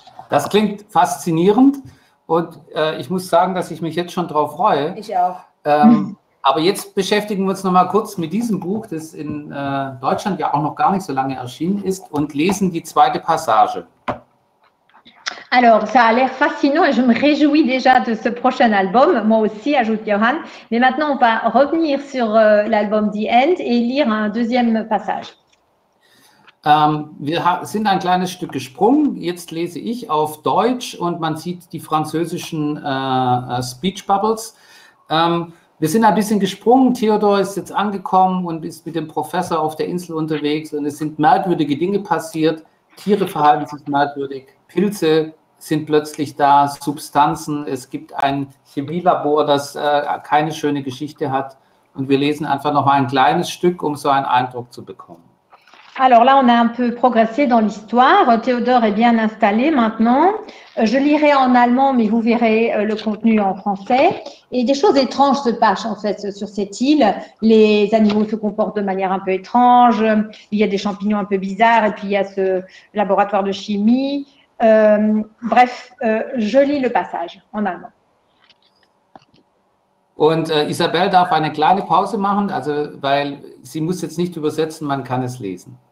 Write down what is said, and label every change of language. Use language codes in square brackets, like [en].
[de] Das klingt faszinierend und ich muss sagen, dass ich mich jetzt schon drauf freue. Ich auch. Aber jetzt beschäftigen wir uns noch mal kurz mit diesem Buch, das in Deutschland ja auch noch gar nicht so lange erschienen ist, und lesen die zweite Passage. [fr] Alors, ça a l'air fascinant et je me réjouis déjà de ce prochain album, moi aussi, ajoute Johann. Mais maintenant, on va revenir sur l'album The End et lire un deuxième passage. [de] Wir sind ein kleines Stück gesprungen. Jetzt lese ich auf Deutsch und man sieht die französischen Speech Bubbles. Wir sind ein bisschen gesprungen. Theodor ist jetzt angekommen und ist mit dem Professor auf der Insel unterwegs und es sind merkwürdige Dinge passiert. Tiere verhalten sich merkwürdig. Pilze sind plötzlich da, Substanzen. Es gibt ein Chemielabor, das keine schöne Geschichte hat. Und wir lesen einfach noch mal ein kleines Stück, um so einen Eindruck zu bekommen. [fr] Alors là, on a un peu progressé dans l'histoire. Théodore est bien installé maintenant. Je lirai en allemand, mais vous verrez le contenu en français. Et des choses étranges se passent en fait sur cette île. Les animaux se comportent de manière un peu étrange. Il y a des champignons un peu bizarres et puis il y a ce laboratoire de chimie. Bref, je lis le passage en allemand. [de] Und Isabelle darf eine kleine Pause machen, also weil sie muss jetzt nicht übersetzen, man kann es lesen.